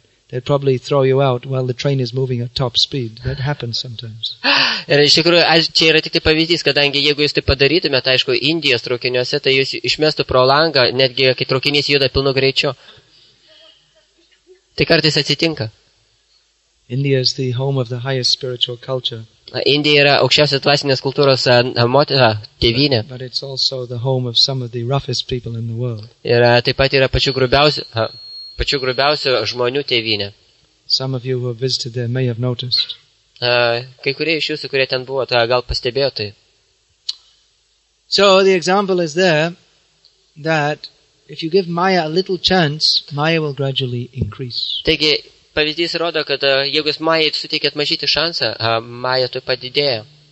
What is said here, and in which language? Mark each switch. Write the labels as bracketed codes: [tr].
[en] They'd probably throw you out while the train is moving at top speed. That happens sometimes. [lt] Ir iš tikrųjų, čia yra tik tai pavyzdys, kadangi jeigu jūs tai padarytumėt, aišku, Indijos traukiniuose, tai jūs išmestų pro langą, netgi kai traukinys juda pilnu greičiu. Tai kartais atsitinka. [en] India is the home of the highest spiritual culture. [lt] Indija yra aukščiausios dvasinės kultūros tėvynė. [en] But it's also the home of some of the roughest people in the world. [lt] Ir taip pat yra pačių grubiausių žmonių tėvynė. [en] Some of you who have visited there may have noticed. [lt] Kai kurie iš jūsų, kurie ten buvo, tai gal pastebėjo tai. [en] So the example is there that if you give Maya a little chance, Maya will gradually increase. [lt] Taigi pavyzdys rodo, kad jeigu jūs Maya suteikėt mažytį šansą, Maya taip pat didėja.